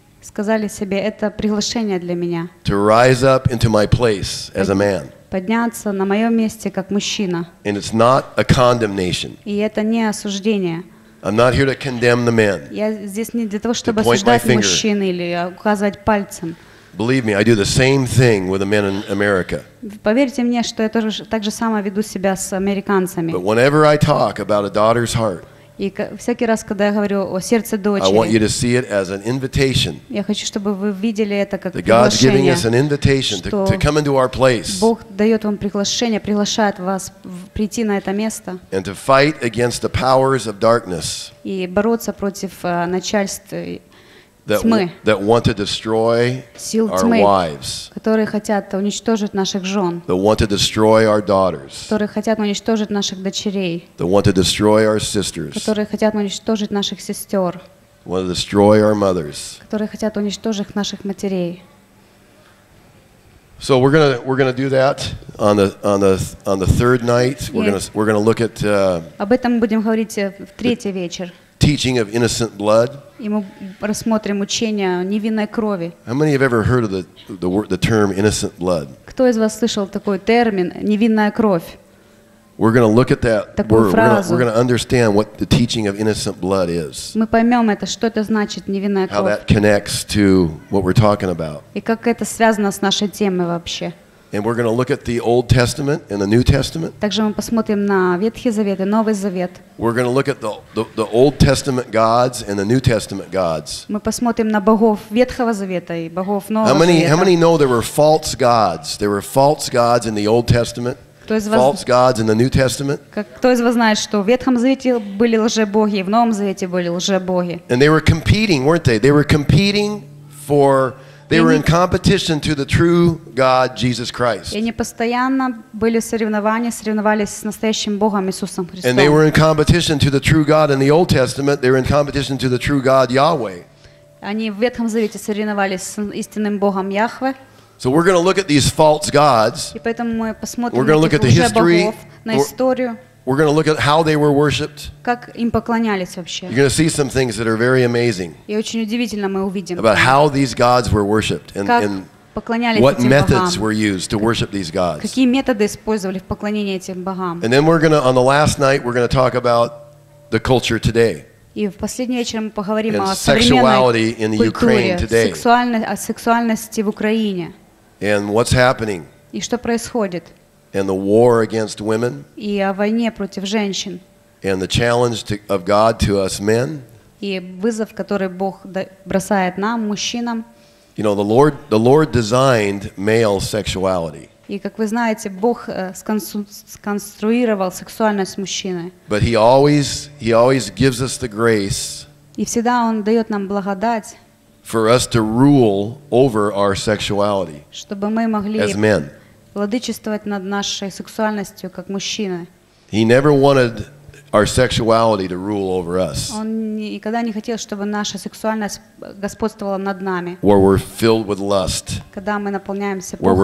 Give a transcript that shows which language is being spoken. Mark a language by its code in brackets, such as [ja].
[ru] Сказали себе, это приглашение для меня. [en] To rise up into my place as a man. [ru] Подняться на моё месте как мужчина. [en] And it's not a condemnation. [ru] И это не осуждение. [en] I'm not here to condemn the men. [ru] Я здесь не для того, чтобы осуждать мужчин или указывать пальцем. [en] Believe me, I do the same thing with the men in America. [ru] Поверьте мне, что я тоже так же само веду себя с американцами. [en] But whenever I talk about a daughter's heart, [ru] и всякий раз, когда я говорю о сердце дочери, [en] I want you to see it as an invitation. [ru] Я хочу, чтобы вы видели это как приглашение. [en] God's giving us an invitation to come into our place. [ru] Бог дает вам приглашение, приглашает вас прийти на это место. [en] And to fight against the powers of darkness. [ru] И бороться против начальств [en] That want to destroy [ru] сил [en] our [ru] тьмы, [en] wives. [ru] Которые хотят уничтожить наших жен. [en] That want to destroy our daughters. [ru] Которые хотят уничтожить наших дочерей. [en] That want to destroy our sisters. [ru] Которые хотят уничтожить наших сестер. [en] Want to destroy our mothers. [ru] Которые хотят уничтожить наших матерей. [en] So we're gonna do that on the third night. We're gonna look at. [ru] Об этом будем говорить в третий вечер. [en] Teaching of innocent blood. [ru] И мы рассмотрим учение невинной крови. [en] How many have ever heard of the term innocent blood? [ru] Кто из вас слышал такой термин невинная кровь? [en] We're going to look at that. We're going to understand what the teaching of innocent blood is. [ru] Мы поймем это, что это значит невинная кровь. [en] How that connects to what we're talking about. [ru] И как это связано с нашей темой вообще? [en] And we're going to look at the Old Testament and the New Testament. [ru] Также мы посмотрим на Ветхий Завет и Новый Завет. [en] We're going to look at the Old Testament gods and the New Testament gods. [ru] Мы посмотрим на богов Ветхого Завета и богов Нового Завета. [en] How many know there were false gods? There were false gods in the Old Testament. False gods in the New Testament. [ru] Кто из вас знает, что в Ветхом Завете были лжебоги, в Новом Завете были лжебоги? [en] And they were competing, weren't they? They were competing for They were in competition to the true God, Jesus Christ. [ru] И они постоянно были в соревновались с настоящим Богом Иисусом Христом. [en] And they were in competition to the true God in the Old Testament. They were in competition to the true God, Yahweh. [ru] Они в Ветхом Завете соревновались с истинным Богом Яхве. [en] So we're going to look at these false gods. [ru] И поэтому мы посмотрим [en] we're going to look at the history. [ru] На историю. [en] We're going to look at how they were worshipped. [ru] Как им поклонялись вообще? [en] You're going to see some things that are very amazing. [ru] И очень удивительно мы увидим. [en] About how these gods were worshipped and [ru] поклонялись [en] what [ru] этим [en] methods [ru] богам. [en] Were used to worship these gods. [ru] Какие методы использовали в поклонении этим богам? [en] And then we're going to on the last night we're going to talk about the culture today. [ru] И в последний вечер мы поговорим [en] and [ru] о современной культуре, сексуальности в Украине. [en] And what's happening? [ru] И что происходит? [en] And the war against women. [ru] И о войне против женщин. [en] And the challenge of God to us men. [ru] И вызов, который Бог бросает нам, мужчинам. [en] You know, the Lord designed male sexuality. [ru] И как вы знаете, Бог сконструировал сексуальность мужчины. [en] But he always gives us the grace. [ru] И всегда он дает нам благодать. [en] For us to rule over our sexuality. [ru] Чтобы мы могли [en] as men. [ru] Владычествовать над нашей сексуальностью как мужчины. [en] He never wanted our sexuality to rule over us. [ru] Он никогда не хотел, чтобы наша сексуальность господствовала над нами. [en] Where we're filled with lust. [ru] Когда мы наполняемся похотью.